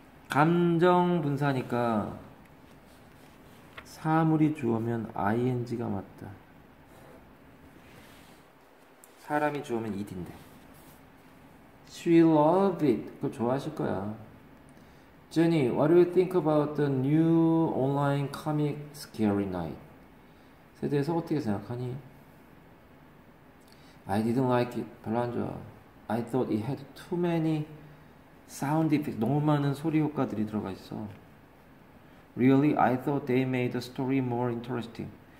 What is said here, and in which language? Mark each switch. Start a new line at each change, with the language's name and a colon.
Korean: 감정 분사니까 사물이 주어면 ing가 맞다. 사람이 주어면 it인데.
English: She loved it.
Korean: 그거 좋아하실 거야.
English: Jenny, what do you think about the new online comic Scary Night?
Korean: 에 대해서 어떻게 생각하니?
English: I didn't like it.
Korean: 별로 안 좋아.
English: I thought it had too many sound effects.
Korean: 너무 많은 소리 효과들이 들어가 있어.
English: Really? I thought they made the story more interesting.